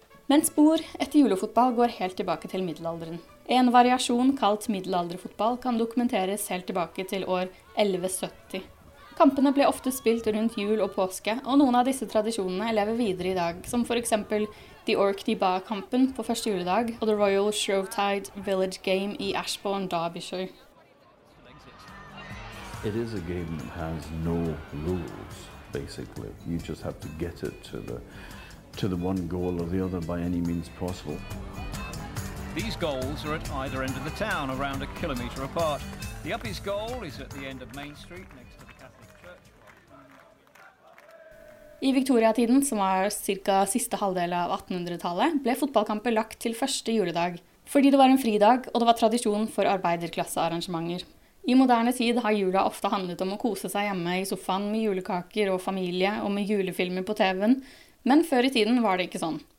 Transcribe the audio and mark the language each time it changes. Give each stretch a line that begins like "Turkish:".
Norwegian: Men spor etter julefotball går helt tilbake til middelalderen. En variasjon kalt middelalderfotball kan dokumenteres helt tilbake til år 1170. Kampene ble ofte spilt rundt jul og påske, og noen av disse tradisjonene lever videre i dag, som for eksempel The Orkney Bar-kampen på første juledag, og The Royal Shrovetide Village Game i Ashbourne, Derbyshire.
English: It is a game that has no rules, basically. You just have to get it to the one goal or the other by any means possible. These goals are at either end of the town, around a kilometre apart. The Uppies goal is at the end of Main Street, next to the Catholic Church.
Norwegian: I Victoria-tiden, som var cirka siste halvdel av 1800-tallet, ble fotballkampet lagt til første juledag, fordi det var en fridag, og det var tradisjon for arbeiderklassearrangementer. I moderne tid har jula ofte handlet om å kose seg hjemme i sofaen med julekaker og familie og med julefilmer på TV-en, men før i tiden var det ikke sånn.